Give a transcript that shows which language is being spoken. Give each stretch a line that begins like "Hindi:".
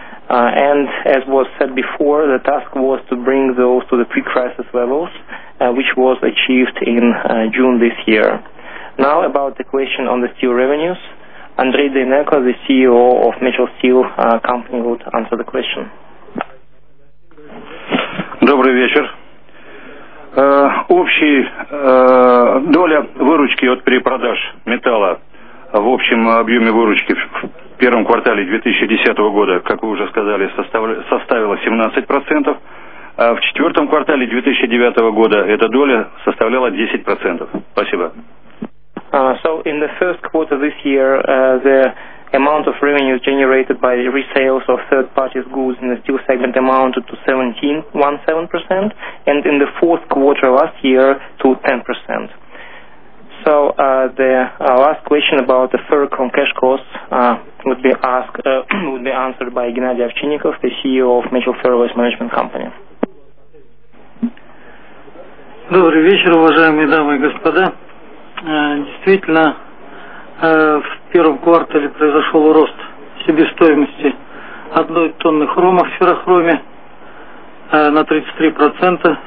English: And as was said before, the task was to bring those to the pre-crisis levels, which was achieved in June this year. Now about the question on the steel revenues, Andrei Deneko, the CEO of Mitchell Steel Company, would answer the question.
Russian: Добрый вечер. Общая доля выручки от перепродаж металла в общем объеме выручки в первом квартале 2010 года, как вы уже сказали, составила 17%, а в четвертом квартале 2009 года эта доля составляла 10%. Спасибо.
English: So in the first quarter this year, the amount of revenue generated by resales of third parties goods in the steel segment amounted to 17.17%, and in the fourth quarter last year to 10%. So the last question about the FERC on cash costs would be answered by Gennady Avchinnikov, the CEO of Mitchell Ferroways Management Company.
Russian: Добрый вечер, уважаемые дамы и господа. Действительно, в первом квартале произошел рост себестоимости одной тонны хрома в феррохроме на 33%.